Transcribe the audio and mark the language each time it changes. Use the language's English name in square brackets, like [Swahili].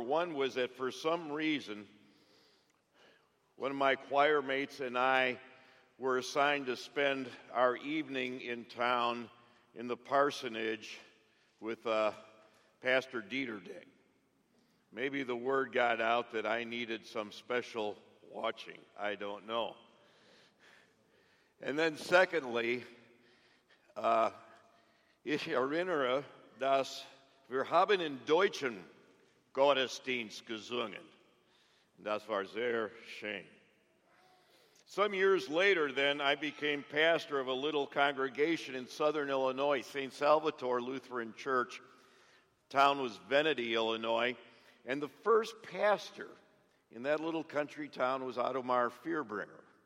[English] One was that for some reason, one of my choir mates and I were assigned to spend our evening in town in the parsonage with Pastor Dieterding. Maybe the word got out that I needed some special watching. I don't know. And then secondly, [German] ich erinnere, dass wir haben in deutschen Gottesdienst gesungen. Das war sehr schön. [English] Some years later then, I became pastor of a little congregation in southern Illinois, St. Salvatore Lutheran Church. The town was Venity, Illinois. And the first pastor in that little country town was Ottomar Fearbringer.